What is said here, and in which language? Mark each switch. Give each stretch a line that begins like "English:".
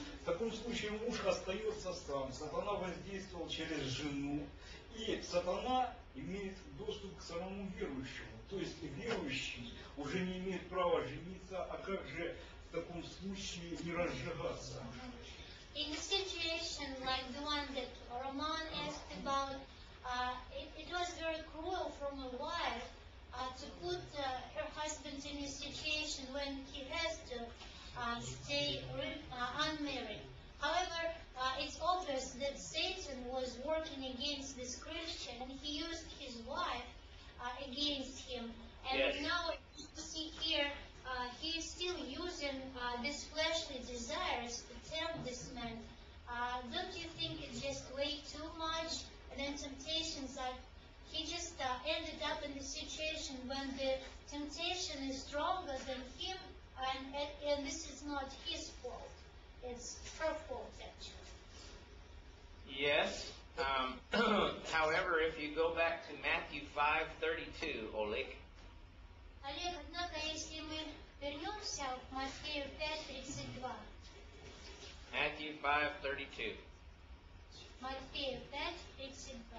Russian: В таком случае муж остается сам. Сатана воздействовал через жену. И сатана имеет доступ к самому верующему. То есть верующий уже не имеет права жениться, а как же в таком случае не разжигаться?
English: In a situation like the one that Roman asked about, it was very cruel from a wife to put her husband in a situation when he has to stay unmarried. However, it's obvious that Satan was working against this Christian, and he used his wife against him. And yes. Now you see here, he is still using these fleshly desires to tempt this man. Don't you think it's just way too much? And then temptations are, he just ended up in the situation when the temptation is stronger than him, and this is not his fault. It's her fault, actually. Yes. however, if you go back to Matthew 5:32, Oleg.
Russian: Олег, однако, если мы вернемся в Матфею 5:32.
English: Matthew 5:32.
Russian: Матфею 5:32.